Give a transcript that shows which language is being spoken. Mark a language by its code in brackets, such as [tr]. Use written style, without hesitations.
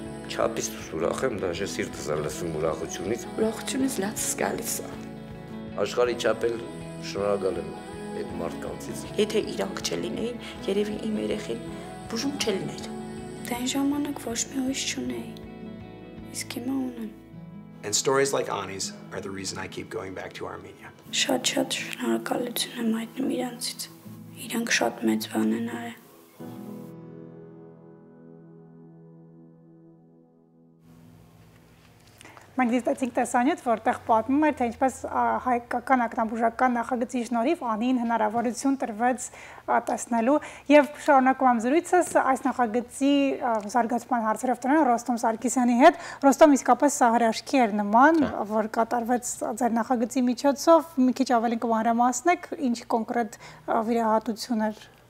[hy] Չափից ուրախ եմ, դաժե սիրտս է լսում ուրախությունից։ Ուրախությունից լացս գալիս է։ Աշխարհի չափ էլ շնորհակալ եմ այդ մարդկանցից։ Եթե իրանք չլինեին, երևի իմ երեխին բուժում չլիներ։ Դա այն ժամանակ ոչ մի ուշ չունեի, իսկ հիմա ունեմ։ [en] And stories like Ani's are the reason I keep going back to Armenia. [hy] Շատ շատ շնորհակալություն եմ այդնում իրանցից։ Իրանք շատ մեծ բան են արել։ Մենք դիտեցինք տեսանյութ, որտեղ պատմում էր, թե ինչպես հայկական ակնաբուժական նախագծի շնորհիվ Անին հնարավորություն տրվեց տեսնելու, եւ շարունակում եմ զրույցս այս նախագծի զարգացման հարցերով տնօրեն Ռոստոմ Սարգսյանի հետ։ Ռոստոմ, իսկապես սահրաշքի էր նման, որ կատարվեց ձեր նախագծի միջոցով, մի քիչ ավելի կմանրամասնեք, ինչ կոնկրետ վիրահատություն էր։